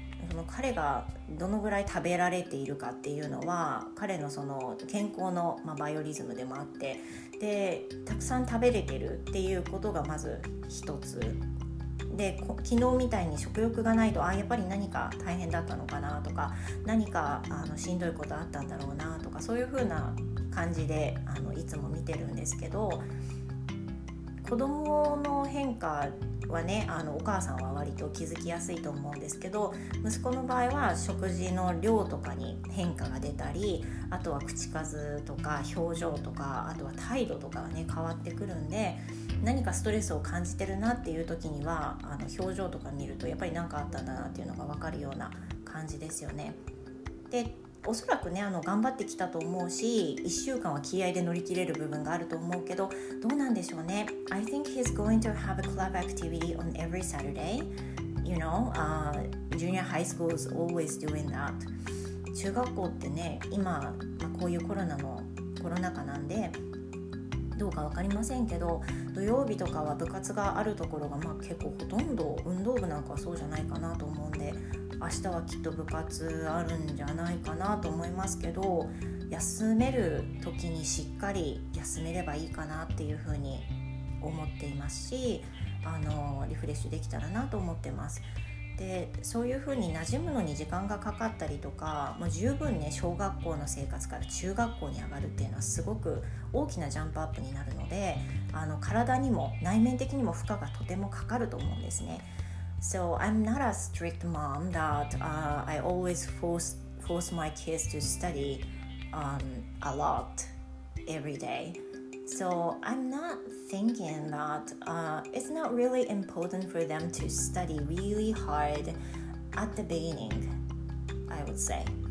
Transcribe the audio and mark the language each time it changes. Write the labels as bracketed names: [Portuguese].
[Japanese] その彼がどのぐらい食べられているかっていうのは彼のその健康のまあバイオリズムでもあって、でたくさん食べれてるっていうことがまず一つで、昨日みたいに食欲がないと、あやっぱり何か大変だったのかなとか、何かあのしんどいことあったんだろうなとか、そういう風な感じであのいつも見てるんですけど、子供の変化はね、あのお母さんは割と気づきやすいと思うんですけど、息子の場合は食事の量とかに変化が出たり、あとは口数とか表情とか、あとは態度とかがね変わってくるんで、何かストレスを感じてるなっていう時にはあの表情とか見るとやっぱり何かあったんだなっていうのが分かるような感じですよね。でおそらくねあの頑張ってきたと思うし、1週間は気合で乗り切れる部分があると思うけど、どうなんでしょうね。 [English] I think he's going to have a club activity on every Saturday. You know, junior high school is always doing that. [Japanese] 中学校ってね今、まあ、こういうコロナ禍なんでどうか分かりませんけど、土曜日とかは部活があるところが、まあ、結構ほとんど運動部なんかはそうじゃないかなと思うんで、明日はきっと部活あるんじゃないかなと思いますけど、休める時にしっかり休めればいいかなっていうふうに思っていますし、あのリフレッシュできたらなと思ってます。でそういうふうに馴染むのに時間がかかったりとか、もう十分ね小学校の生活から中学校に上がるっていうのはすごく大きなジャンプアップになるので、あの体にも内面的にも負荷がとてもかかると思うんですね。 [English] So I'm not a strict mom that I always force my kids to study a lot every day. So I'm not thinking that it's not really important for them to study really hard at the beginning, I would say.